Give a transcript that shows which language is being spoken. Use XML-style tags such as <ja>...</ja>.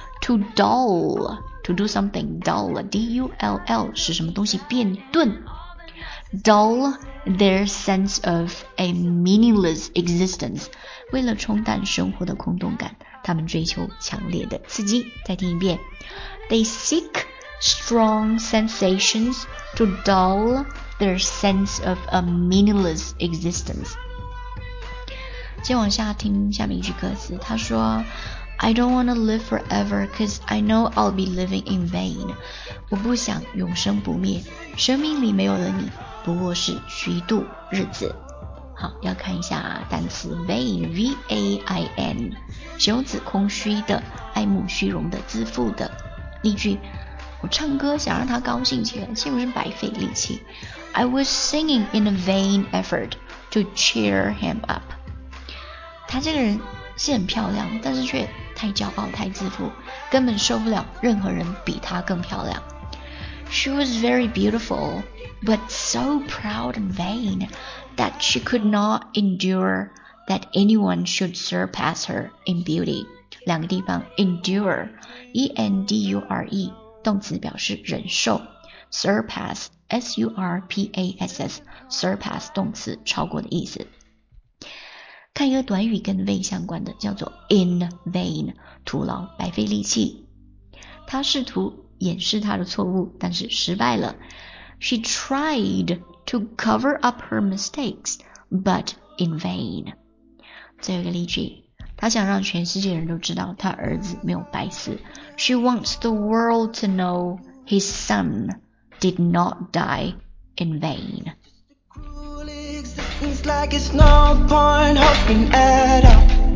<en>To dull, to do something dull, D-U-L-L,</en> <zh>使什么东西变钝。</zh> <en>Dull their sense of a meaningless existence.</en> <zh>为了冲淡生活的空洞感，他们追求强烈的刺激。再听一遍。</zh> <en>They seek strong sensations to dull their sense of a meaningless existence.</en> <zh>接往下听下面一句歌词，他说</zh> <en>I don't wanna live forever cause I know I'll be living in vain.</en> <zh>我不想永生不灭，生命里没有了你不过是虚度日子。好，要看一下单词 vain, V-A-I-N, 形容词，空虚的，爱慕虚荣的，自负的。例句，我唱歌想让他高兴起来，岂不是白费力气。</zh> <en>I was singing in a vain effort to cheer him up.</en> <zh>他这个人是很漂亮，但是却太骄傲太自负，根本受不了任何人比他更漂亮。</zh> <en>She was very beautiful, but so proud and vain that she could not endure that anyone should surpass her in beauty.</en> <zh>两个地方 endure, E-N-D-U-R-E, 动词表示忍受。 Surpass, S-U-R-P-A-S-S, surpass, 动词超过的意思。看一个短语跟 vain 相关的，叫做 in vain， 徒劳白费力气。他试图掩饰他的错误，但是失败了。</zh> <en>She tried to cover up her mistakes but in vain。</en> <zh>最后一个例句，他想让全世界人都知道他儿子没有白死。</zh> <en>She wants the world to know his son did not die in vainIt's like it's no point hoping at all.</en>